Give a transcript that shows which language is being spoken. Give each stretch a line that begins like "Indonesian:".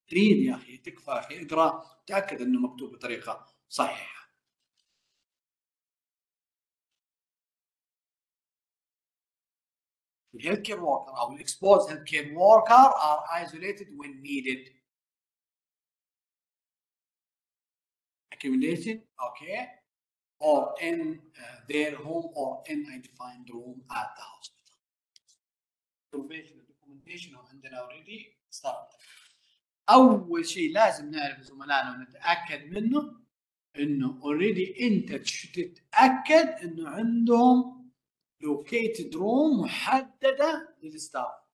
Arabic: ريد يا اخي، تكفى يا اخي اقرا، تاكد انه مكتوب بطريقه صحيحه.
English: الهيلث care worker او الاكسبوز health care worker are isolated when needed. Recommendation, okay, or in their home or in a defined room at the hospital. Information, documentation, and then already start.
Arabic: أول شيء لازم نعرف زملائنا ونتأكد منه إنه already أنت تتأكد إنه عندهم
English: located room
Arabic: محددة للستاف.